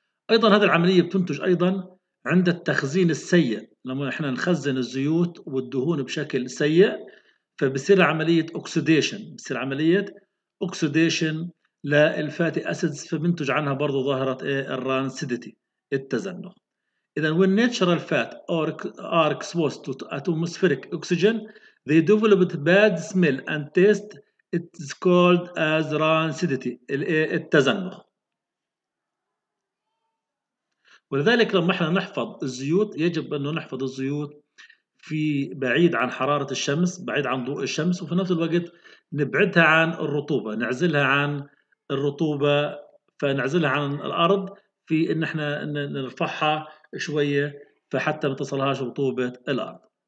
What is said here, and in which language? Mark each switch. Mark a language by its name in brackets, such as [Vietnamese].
[Arabic] ايضا هذه العمليه بتنتج ايضا عند التخزين السيء، لما احنا نخزن الزيوت والدهون بشكل سيء فبصير عمليه اوكسيديشن، بصير عمليه اوكسيديشن للفاتي اسيدز، فبنتج عنها برضو ظاهره الرانسيديتي التزنخ. اذا [English] when natural fat are exposed to atmospheric oxygen they develop bad smell and taste, it's called as rancidity [Arabic] التزنخ. ولذلك لما احنا نحفظ الزيوت يجب انه نحفظ الزيوت في بعيد عن حرارة الشمس، بعيد عن ضوء الشمس، وفي نفس الوقت نبعدها عن الرطوبة، نعزلها عن الرطوبة، فنعزلها عن الأرض في ان احنا نرفعها شوية فحتى ما تصلهاش رطوبة الأرض.